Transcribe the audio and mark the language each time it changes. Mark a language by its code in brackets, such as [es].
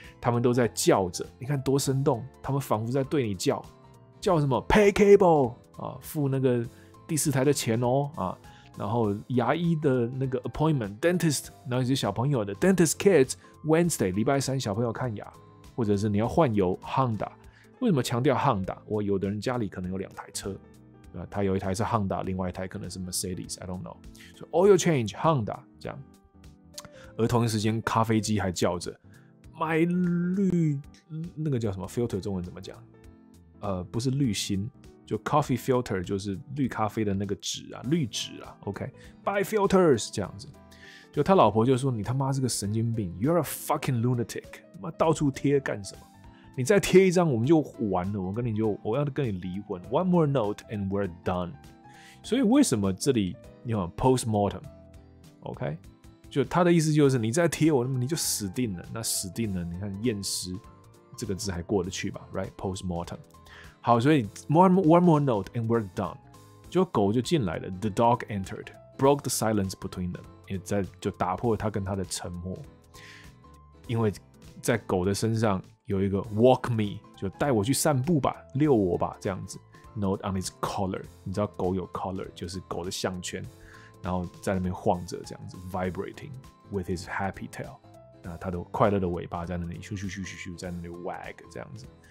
[zh] 他们都在叫着，你看多生动，他们仿佛在对你叫，叫什么 [en] pay cable、 [zh] 付那个第四台的钱哦、然后牙医的那个 [en] appointment dentist， [zh] 然后是小朋友的 [en] dentist kids Wednesday [zh] 礼拜三小朋友看牙，或者是你要换油 Honda。为什么强调 Honda？我有的人家里可能有两台车，他有一台是 Honda， 另外一台可能是 Mercedes， [en] I don't know。 So oil change Honda 这样。 [zh] 而同一时间咖啡机还叫着买绿，那个叫什么 filter， 中文怎么讲，不是滤芯，就 [en] coffee filter， [zh] 就是绿咖啡的那个纸啊，滤纸啊， OK， [en] buy filters [zh] 这样子。就他老婆就说，你他妈是个神经病， [en] you're a fucking lunatic， [zh] 妈到处贴干什么，你再贴一张我们就完了，我要跟你离婚， [en] one more note and we're done。 [zh] 所以为什么这里你有 postmortem， OK， 就他的意思就是你再贴我你就死定了，那死定了你看验尸这个字还过得去吧， [en] right， [zh] postmortem。好，所以 [en] one more note and we're done。 [zh] 就狗就进来了， [en] the dog entered， broke the silence between them， [zh] 也在就打破他跟他的沉默。因为在狗的身上有一个 [en] walk me， [zh] 就带我去散步吧，遛我吧，这样子。 [en] note on its collar， [zh] 你知道狗有 collar， 就是狗的项圈，然后在那边晃着这样子， [en] vibrating with his happy tail， [zh] 那他的快乐的尾巴在那里咻咻咻咻咻，在那里 wag 这样子。